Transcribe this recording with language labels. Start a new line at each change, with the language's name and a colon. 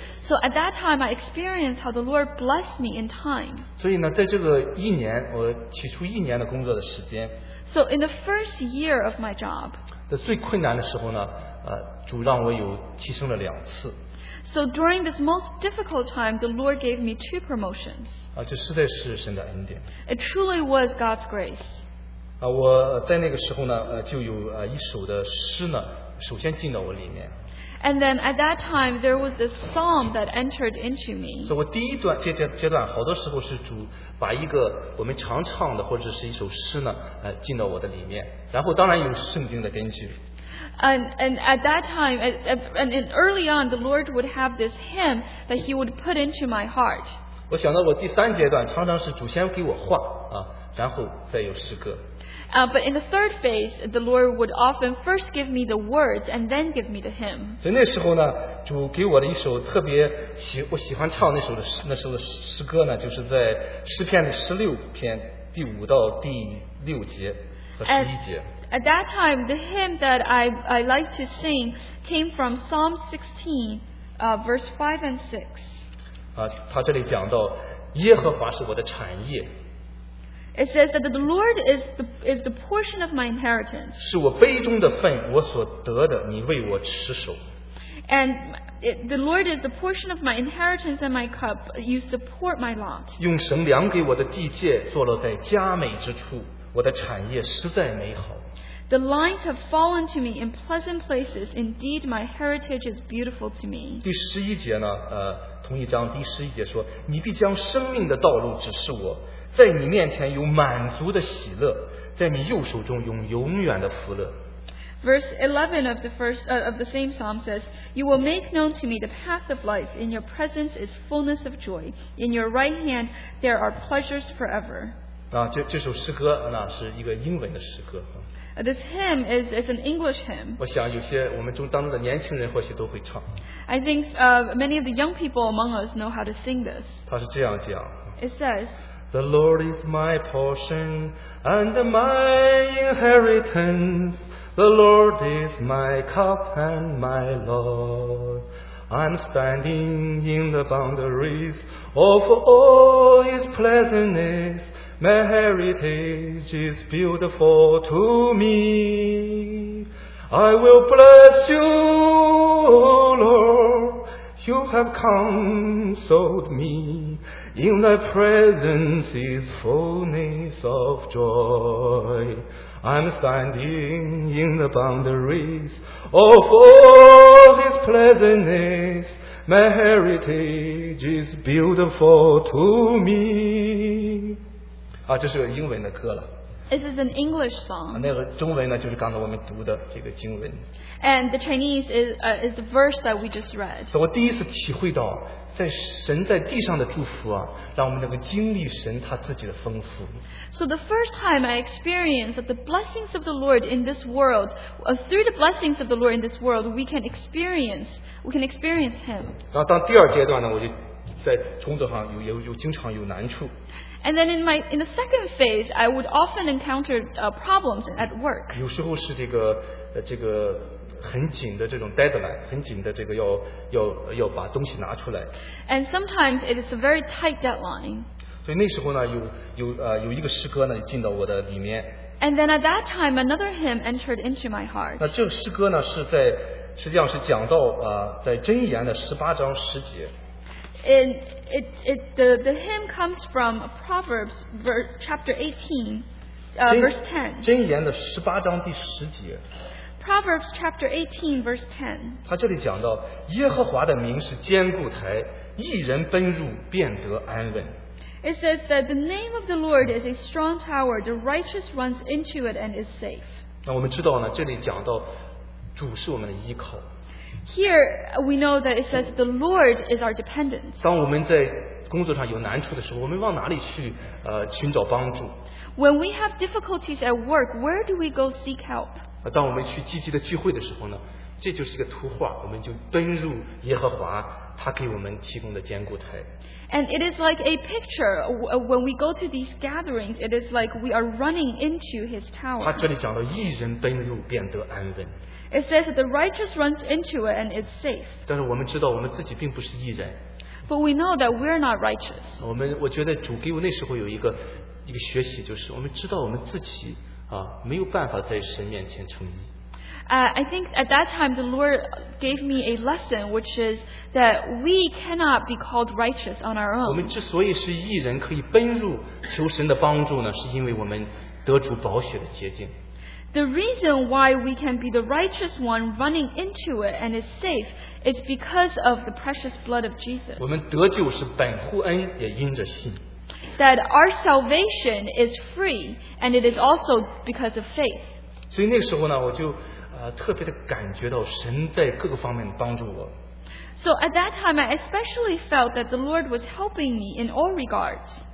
English: So at that time, I experienced how the Lord blessed me in time.
Chinese: 所以呢，在这个一年，我起初一年的工作的时间。
English: So in the first year of my job.
Chinese: 在最困难的时候呢，主让我有提升了2次。
English: So during this most difficult time, the Lord gave me 2 promotions.
Chinese: 这实在是神的恩典。
English: It truly was God's grace.
Chinese: 我在那个时候呢，就有一首的诗呢，首先进到我里面。
English: And then at that time, there was this psalm that entered into me.
Chinese: 所以我第一段阶段，好多时候是主把一个我们常唱的或者是一首诗呢，进到我的里面，然后当然有圣经的根据。
English: And at that time, and early on, the Lord would have this hymn that He would put into my heart.
Chinese: 我想到我第三阶段，常常是主先给我话啊。然后再有诗歌。
English: But in the third phase, the Lord would often first give me the words and then give me the hymn.
Chinese: 那时候呢，主给我的一首特别喜，我喜欢唱那首的诗，那首的诗歌呢，就是在诗篇的十六篇第五到第六节和十一节。
English: At that time, the hymn that I like to sing came from Psalm 16, verse 5 and 6.
Chinese: 他这里讲到，耶和华是我的产业。
English: It says that the Lord is the portion of my inheritance.
Chinese: 是我杯中的份，我所得的，你为我持守。
English: And the Lord is the portion of my inheritance and my cup. You support my lot.
Chinese: 用神量给我的地界，坐落在佳美之处，我的产业实在美好。
English: The lines have fallen to me in pleasant places. Indeed, my heritage is beautiful to me.
Chinese: 第十一节呢？同一章第十一节说：“你必将生命的道路指示我，在你面前有满足的喜乐，在你右手中有永远的福乐。”
English: Verse 11 of the first of the same psalm says, "You will make known to me the path of life. In your presence is fullness of joy. In your right hand there are pleasures forever."
Chinese: 这首诗歌那是一个英文的诗歌。
English: This hymn is an English hymn.
Chinese: 我想有些我们中当中的年轻人或许都会唱。
English: I think many of the young people among us know how to sing this.
Chinese: 它是这样讲。
English: It says, "The Lord is my portion and my inheritance. The Lord is my cup and my lot. I'm standing in the boundaries of all His pleasantness." My heritage is beautiful to me. I will bless you, O Lord. You have consoled me. In thy presence is fullness of joy. I'm standing in the boundaries of all his pleasantness. My heritage is beautiful to me.
Chinese: 这是个英文的歌了。
English: This is an English song.
Chinese: 那个中文呢，就是刚才我们读的这个经文。
English: And the Chinese is the verse that we just read.
Chinese: 我第一次体会到，在神在地上的祝福啊，让我们能够经历神他自己的丰富。
English: So the first time I experienced that the blessings of the Lord in this world, through the blessings of the Lord in this world, we can experience Him.
Chinese: 然后到第二阶段呢，我就在工作上有经常有难处。
English: And then in the second phase, I would often encounter problems at work.
Chinese: 有时候是这个很紧的这种 deadline, 很紧的这个要把东西拿出来。
English: And sometimes it is a very tight deadline.
Chinese: 所以那时候呢，有一个诗歌呢进到我的里面。
English: And then at that time, another hymn entered into my heart.
Chinese: 那这个诗歌呢是在实际上是讲到在箴言的十八章十节。
English: And the hymn comes from Proverbs chapter 18, verse 10.
Chinese: 箴言的十八章第十节。
English: Proverbs chapter 18, verse 10.
Chinese: 他这里讲到，耶和华的名是坚固台，一人奔入便得安稳。
English: It says that the name of the Lord is a strong tower; the righteous runs into it and is safe.
Chinese: 那我们知道呢，这里讲到主是我们的依靠。
English: Here we know that it says the Lord is our dependence.
Chinese: 当我们在工作上有难处的时候，我们往哪里去寻找帮助？
English: When we have difficulties at work, where do we go seek help?
Chinese: 当我们去积极的聚会的时候呢，这就是一个图画，我们就奔入耶和华他给我们提供的坚固台。
English: And it is like a picture. When we go to these gatherings, it is like we are running into His tower.
Chinese: 他这里讲到一人奔入便得安稳。
English: It says that the righteous runs into it and is safe.
Chinese: 但是我们知道我们自己并不是义人。
English: But we know that we are not righteous.
Chinese: 我觉得主给我那时候有一个学习，就是我们知道我们自己没有办法在神面前称义。
English: I think at that time the Lord gave me a lesson, which is that we cannot be called righteous on our own.
Chinese: 我们之所以是义人，可以奔入求神的帮助呢，是因为我们得主宝血的洁净。
English: The reason why we can be the righteous one running into it and is safe is because of the precious blood of Jesus.
Chinese: 我们得救是本乎恩，也因着信。
English: That our salvation is free and it is also because of faith.
Chinese: 所以那时候呢，我就特别的感觉到神在各个方面帮助我。
English: So at that time, I especially felt that the Lord was helping me in all regards.